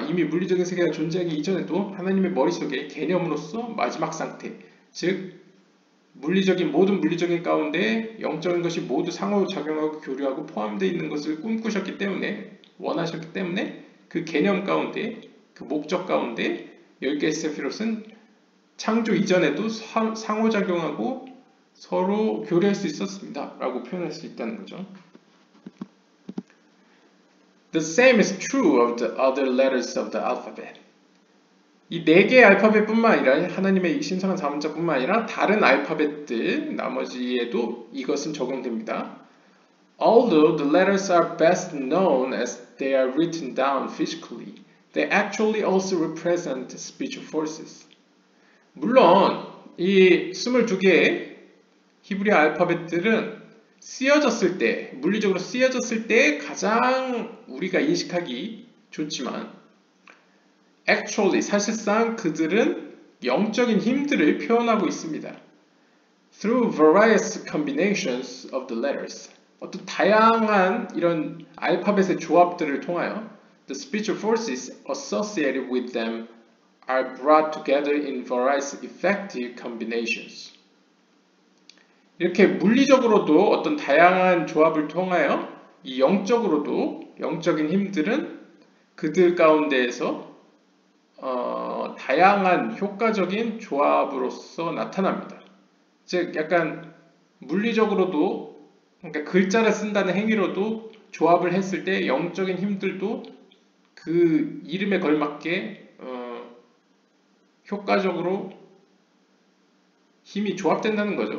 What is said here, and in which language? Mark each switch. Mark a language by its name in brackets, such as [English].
[Korean] 이미 물리적인 세계가 존재하기 이전에도 하나님의 머릿속에 개념으로서 마지막 상태, 즉 물리적인 모든 물리적인 가운데 영적인 것이 모두 상호작용하고 교류하고 포함되어 있는 것을 꿈꾸셨기 때문에 원하셨기 때문에 그 개념 가운데, 그 목적 가운데 10개의 세피롯은 창조 이전에도 상호작용하고 서로 교류할 수 있었습니다. 라고 표현할 수 있다는 거죠. [English] The same is true of the other letters of the alphabet. [Korean] 이 네 개의 알파벳 뿐만 아니라 하나님의 신성한 자문자 뿐만 아니라 다른 알파벳들 나머지에도 이것은 적용됩니다. [English] Although the letters are best known as they are written down physically, they actually also represent speech forces. [Korean] 물론 이 22개의 히브리 알파벳들은 쓰여졌을 때, 물리적으로 쓰여졌을 때 가장 우리가 인식하기 좋지만 actually 사실상 그들은 영적인 힘들을 표현하고 있습니다. [English] Through various combinations of the letters. [Korean] 어떤 다양한 이런 알파벳의 조합들을 통하여 [English] The speech forces associated with them are brought together in various effective combinations. [Korean] 이렇게 물리적으로도 어떤 다양한 조합을 통하여 이 영적으로도 영적인 힘들은 그들 가운데에서 다양한 효과적인 조합으로서 나타납니다. 즉 약간 물리적으로도 그러니까 글자를 쓴다는 행위로도 조합을 했을 때 영적인 힘들도 그 이름에 걸맞게 효과적으로 힘이 조합된다는 거죠.